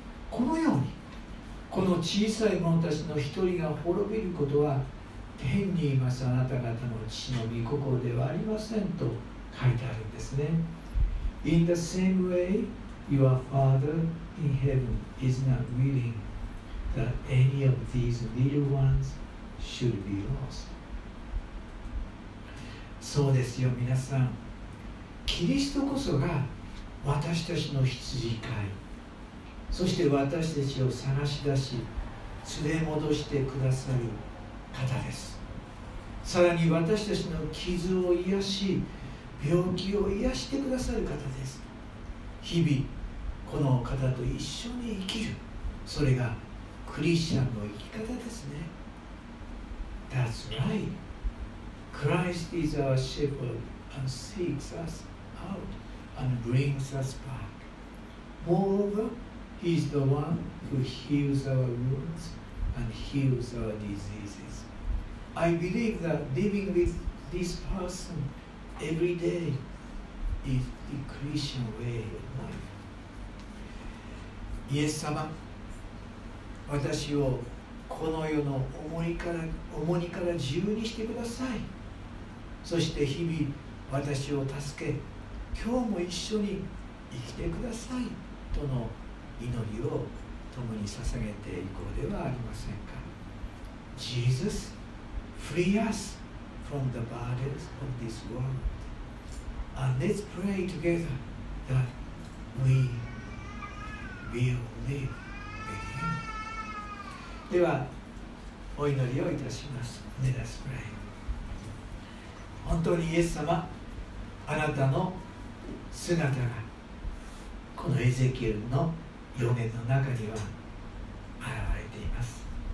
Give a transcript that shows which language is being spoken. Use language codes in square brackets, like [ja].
[ja] このように、この小さい者たちの一人が滅びることは、天にいますあなた方の父の御心ではありませんと書いてあるんですね。 [en] In the same way, your Father in heaven is not willing that any of these little ones should be lost. [ja] そうですよ皆さん、キリストこそが私たちの羊飼い、そして私たちを探し出し連れ戻してくださる方です。さらに私たちの傷を癒し、病気を癒してくださる方です。日々この方と一緒に生きる、それがクリスチャンの生き方ですね。 [en] That's rightChrist is our shepherd and seeks us out and brings us back. Moreover, he is the one who heals our wounds and heals our diseases. I believe that living with this person every day is the Christian way of life. [ja] イエス様、私をこの世の重荷から自由にしてください。そして日々私を助け、今日も一緒に生きてくださいとの祈りを共に捧げていこうではありませんか。 [en] Jesus, free us from the burdens of this world. And let's pray together that we will live with him. [ja] ではお祈りをいたします。 [en] Let us pray. [ja] 本当にイエス様、あなたの姿がこのエゼキエルの預言の中には現れています。